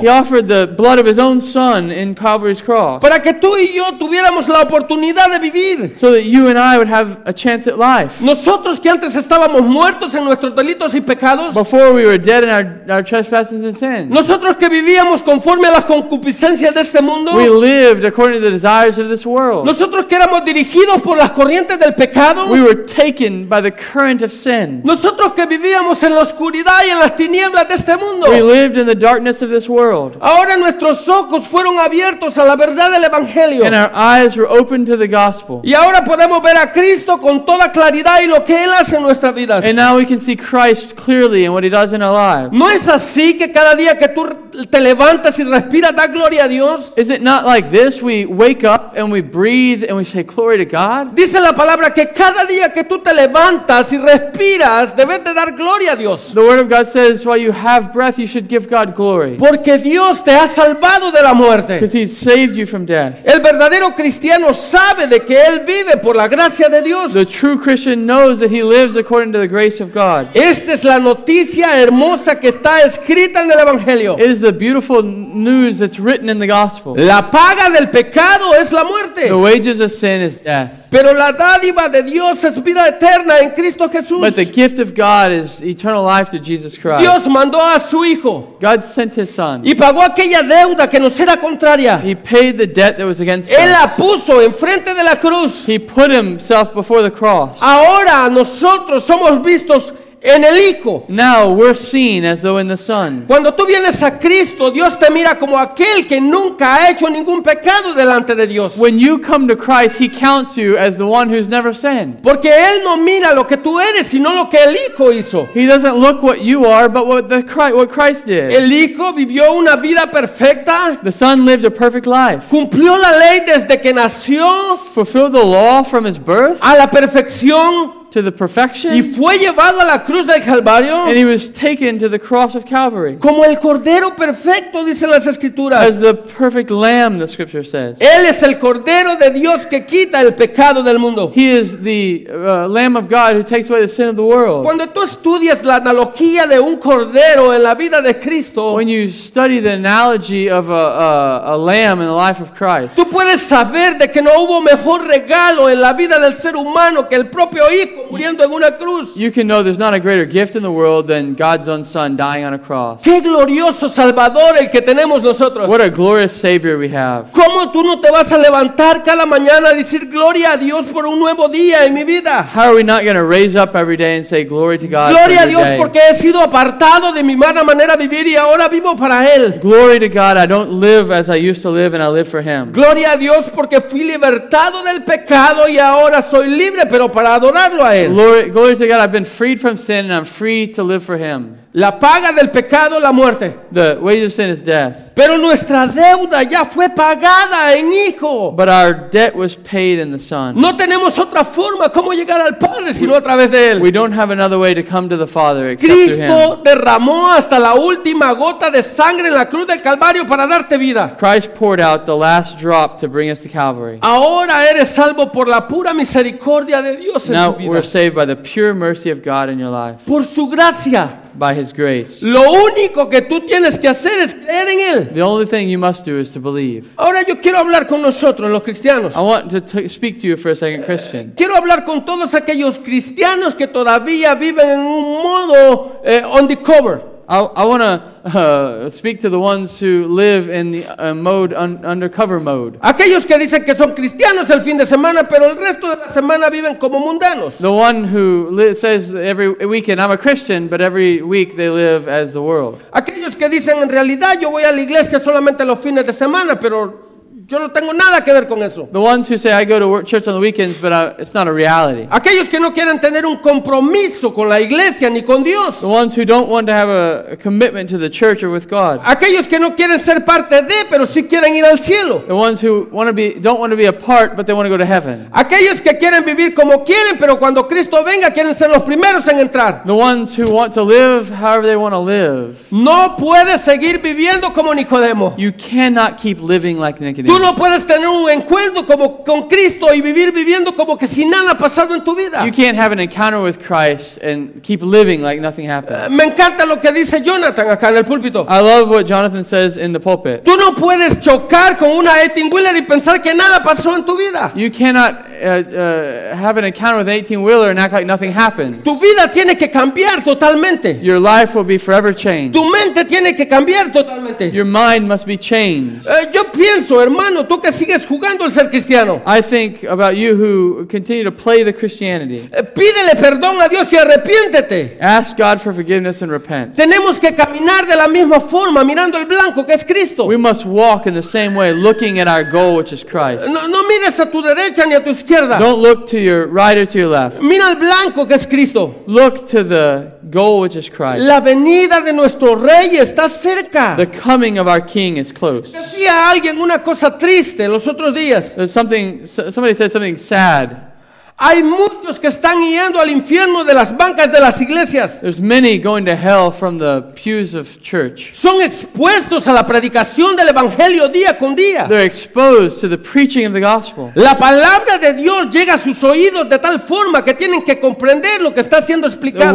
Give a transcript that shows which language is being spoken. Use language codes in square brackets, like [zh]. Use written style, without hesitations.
[en] He offered the blood of his own Son in Calvary's cross. [es] Para que tú y yo tuviéramos la oportunidad de vivir. [en] So that you and I would have a chance at life. [es] Nosotros que antes estábamos muertos en nuestros delitos y pecados. [en] Before we were dead in our trespasses and sins. [es] Nosotros que vivíamos conforme a las concupiscencias de este mundo. [en] We lived lived according to the desires of this world. [es] Nosotros que éramos dirigidos por las corrientes del pecado. [en] We were taken by the current of sin. [es] Nosotros que vivíamos en la oscuridad y en las tinieblas de este mundo. [en] We lived in the darkness of this world. [es] Ahora nuestros ojos fueron abiertos a la verdad del evangelio. [en] And our eyes were opened to the gospel. [es] Y ahora podemos ver a Cristo con toda claridad y lo que él hace en nuestras vidas. [en] And now we can see Christ clearly in what he does in our lives. [es] No es así que cada día que tú te levantas y respiras da gloria a Dios. [en] Is it not like this? We wake up and we breathe and we say glory to God. [es] Dice la palabra que cada día que tú te levantas y respiras debes de dar gloria a Dios. [en] The word of God says while you have breath you should give God glory. [es] Porque Dios te ha salvado de la muerte. [en] Because he saved you from death. [es] El verdadero cristiano sabe de que él vive por la gracia de Dios. [en] The true Christian knows that he lives according to the grace of God. [es] Esta es la noticia hermosa que está escrita en el evangelio. [en] It is the beautiful news that's written in the gospel. [es] La paga del pecado es la muerte. [en] The wages of sin is death. [es] Pero la dádiva de Dios es vida eterna en Cristo Jesús. [en] But the gift of God is eternal life through Jesus Christ. [es] Dios mandó a su hijo. [en] God sent his son. [es] Y pagó aquella deuda que nos era contraria. [en] He paid the debt that was against [es] Él [en] us. [es] Él la puso enfrente de la cruz. [en] He put himself before the cross. [es] Ahora nosotros somos vistos en el hijo. [en] Now we're seen as though in the Son. [es] Cuando tú vienes a Cristo, Dios te mira como aquel que nunca ha hecho ningún pecado delante de Dios. [en] When you come to Christ, he counts you as the one who's never sinned. [es] Porque él no mira lo que tú eres, sino lo que el hijo hizo. [en] He doesn't look what you are, but what Christ did. [es] El hijo vivió una vida perfecta. [en] The Son lived a perfect life. [es] Cumplió la ley desde que nació. [en] Fulfilled the law from his birth. [es] A la perfección. [en] To the perfection. [es] Y fue llevado a la cruz del Calvario. [en] And he was taken to the cross of Calvary. [es] Como el cordero perfecto, dicen las escrituras. [en] As the perfect lamb, the scripture says. [es] Él es el cordero de Dios que quita el pecado del mundo. [en] He is the lamb of God who takes away the sin of the world. [es] Cuando tú estudias la analogía de un cordero en la vida de Cristo. [en] When you study the analogy of a lamb in the life of Christ. [es] Tú puedes saber de que no hubo mejor regalo en la vida del ser humano que el propio hijo. Muriendo en una cruz. [en] You can know there's not a greater gift in the world than God's own Son dying on a cross. [es] Qué glorioso Salvador el que tenemos nosotros. [en] What a glorious Savior we have. [es] ¿Cómo tú no te vas a levantar cada mañana a decir gloria a Dios por un nuevo día en mi vida? [en] How are we not going to raise up every day and say glory to God? [es] Gloria a Dios [en] day? [es] Porque he sido apartado de mi mala manera de vivir y ahora vivo para él. [en] Glory to God, I don't live as I used to live and I live for him. [es] Gloria a Dios porque fui libertado del pecado y ahora soy libre pero para adorarlo. [en] Glory to God, I've been freed from sin and I'm free to live for him. [es] La paga del pecado, la muerte. [en] The wages of sin is death. [es] Pero nuestra deuda ya fue pagada en Hijo. [en] But our debt was paid in the Son. [es] No tenemos otra forma como llegar al Padre sino a través de Él. [en] We don't have another way to come to the Father except [es] Cristo [en] through Him. [es] Cristo derramó hasta la última gota de sangre en la cruz del Calvario para darte vida. [en] Christ poured out the last drop to bring us to Calvary. [es] Ahora eres salvo por la pura misericordia de Dios en [en] Now [es] tu vida. [en] We're saved by the pure mercy of God in your life. [es] Por su gracia. [en] By his grace. [es] Lo único que tú tienes que hacer es creer en él. [en] The only thing you must do is to believe. [es] Ahora yo quiero hablar con nosotros, los cristianos. [en] I want to speak to you for a second, Christian. [es] Quiero hablar con todos aquellos cristianos que todavía viven en un modo undercover. [en] I want to speak to the ones who live in the mode undercover mode. [es] Aquellos que dicen que son cristianos el fin de semana, pero el resto de la semana viven como mundanos. [en] The one who says every weekend I'm a Christian, but every week they live as the world. [es] Aquellos que dicen en realidad yo voy a la iglesia solamente los fines de semana, pero yo no tengo nada que ver con eso. [en] The ones who say I go to church on the weekends, but it's not a reality. [es] Aquellos que no quieren tener un compromiso con la iglesia ni con Dios. [en] The ones who don't want to have a commitment to the church or with God. [es] Aquellos que no quieren ser parte de, pero sí quieren ir al cielo. [en] The ones who don't want to be a part, but they want to go to heaven. [es] Aquellos que quieren vivir como quieren, pero cuando Cristo venga quieren ser los primeros en entrar. [en] The ones who want to live however they want to live. [es] No puedes seguir viviendo como Nicodemo. [en] You cannot keep living like Nicodemus. [es] Tú no puedes tener un encuentro como con Cristo y vivir viviendo como que si nada ha pasado en tu vida. [en] You can't have an encounter with Christ and keep living like nothing happened. [es] Me encanta lo que dice Jonathan acá en el púlpito. [en] I love what Jonathan says in the pulpit. [es] Tú no puedes chocar con una eighteen-wheeler y pensar que nada pasó en tu vida. [en] You cannot have an encounter with an 18-wheeler and act like nothing happened. [es] Tu vida tiene que cambiar totalmente. [en] Your life will be forever changed. [es] Tu mente tiene que cambiar totalmente. [en] Your mind must be changed. [es] Yo pienso, hermano. hermano, tú que sigues jugando el ser cristiano. [en] I think about you who continue to play the Christianity. [es] Pídele perdón a Dios y arrepiéntete. [en] Ask God for forgiveness and repent. [es] Tenemos que caminar de la misma forma, mirando el blanco que es Cristo. [en] We must walk in the same way, looking at our goal, which is Christ. [es] No mires a tu derecha ni a tu izquierda. [en] Don't look to your right or to your left. [es] Mira el blanco que es Cristo. [en] Look to the goal, which is Christ. [es] La venida de nuestro rey está cerca. [en] The coming of our King is close. [es] Decía alguien una cosa triste los otros días. [en] Somebody said something sad. [es] Hay muchos que están yendo al infierno de las bancas de las iglesias. [en] There's many going to hell from the pews of church. [es] Son expuestos a la predicación del evangelio día con día. [en] They're exposed to the preaching of the gospel. [es] La palabra de Dios llega a sus oídos de tal forma que tienen que comprender lo que está siendo explicado.